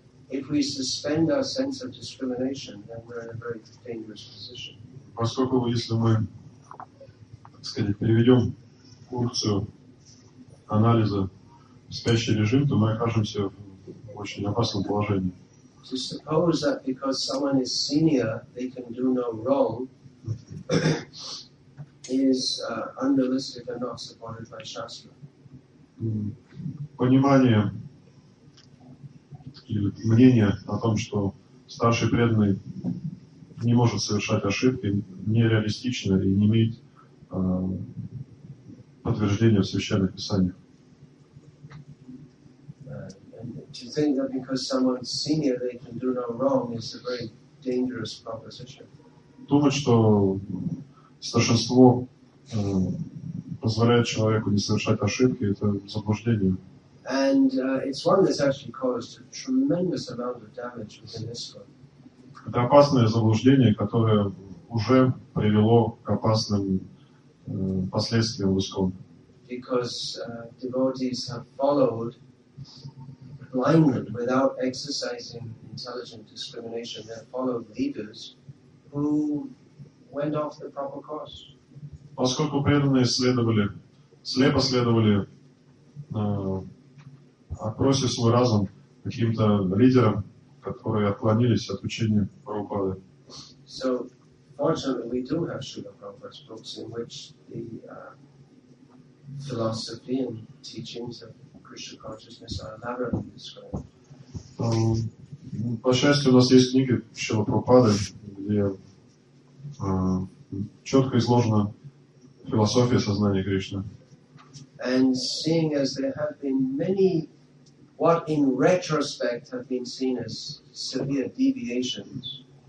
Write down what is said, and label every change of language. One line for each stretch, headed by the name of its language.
English: If we suspend our sense of discrimination, then we're in a very dangerous position.
Russian: Поскольку если мы, так сказать, переведем функцию анализа в спящий режим, то мы окажемся в очень опасном положении.
English: To suppose that because someone is senior, they can do no wrong, is unrealistic and not supported by Shastra.
Russian: Понимание или мнение о том, что старший преданный не может совершать ошибки, нереалистично и не имеет подтверждения в священных писаниях.
English: To think that because someone's senior they can do no wrong is a very dangerous proposition.
Russian: Думать, что старшинство позволяет человеку не совершать ошибки, это заблуждение.
English: And it's one that's actually caused a tremendous amount of damage within this one.
Russian: Это опасное заблуждение, которое уже привело к опасным последствиям в ИСКОН.
English: Because devotees have followed blindly without exercising intelligent discrimination. They have followed leaders who went off the proper course.
Russian: Поскольку преданные следовали, слепо следовали, отбросив свой разум каким-то лидерам, которые отклонились от учения Прабхупады.
English: So, Unfortunately, we do have Srila Prabhupada's books in which the philosophy and teachings of Krishna consciousness are elaborately described.
Russian: По счастью, у нас есть книги Шрила Прабхупады, где четко изложена философия сознания Кришны.
English: And seeing as there have been many what in retrospect have been seen as severe deviations.